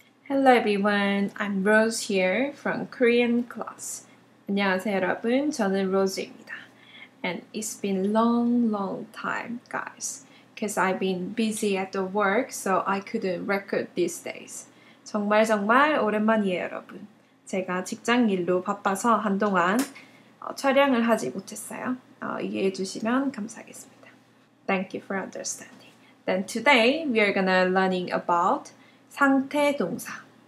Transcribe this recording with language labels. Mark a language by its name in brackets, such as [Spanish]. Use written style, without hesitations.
[English] Hello everyone, I'm Rose here from Korean class. [Korean] 안녕하세요 여러분, 저는 Rose입니다. [English] And it's been long time, guys, because I've been busy at the work, so I couldn't record these days. [Korean] 정말 정말 오랜만이에요, 여러분. 제가 직장 일로 바빠서 한동안 촬영을 하지 못했어요. 이해해 주시면 감사하겠습니다. [English] Thank you for understanding. Then today, we are going to learning about 상태 동사.